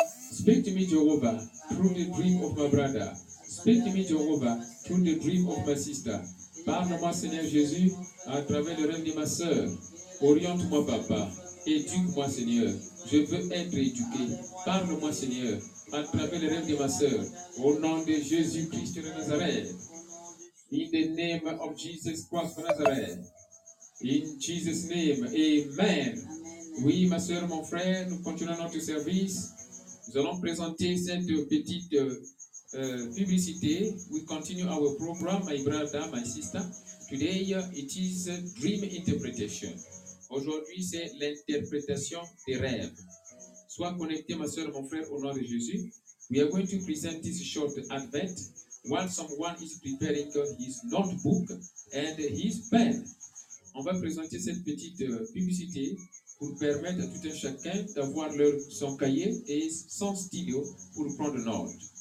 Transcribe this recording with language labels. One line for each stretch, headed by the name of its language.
English: Speak to me, Jehovah, through the dream of my brother. Speak to me, Jehovah, through the dream of my sister.
French: Parle-moi, Seigneur Jésus, à travers le rêve de ma sœur. Oriente-moi, Papa. Éduque-moi, Seigneur. Je veux être éduqué. Parle-moi, Seigneur, à travers le rêve de ma sœur. Au nom de Jésus-Christ de Nazareth.
English: In the name of Jesus Christ of Nazareth. In Jesus' name. Amen.
French: Oui, ma sœur, mon frère, nous continuons notre service. Nous allons présenter cette petite publicité.
English: We continue our program, my brother, my sister. Today, it is dream interpretation.
French: Aujourd'hui, c'est l'interprétation des rêves. Sois connecté, ma soeur, mon frère, au nom de Jésus.
English: We are going to present this short advent while someone is preparing his notebook and his pen.
French: On va présenter cette petite publicité pour permettre à tout un chacun d'avoir leur, son cahier et son stylo pour prendre note.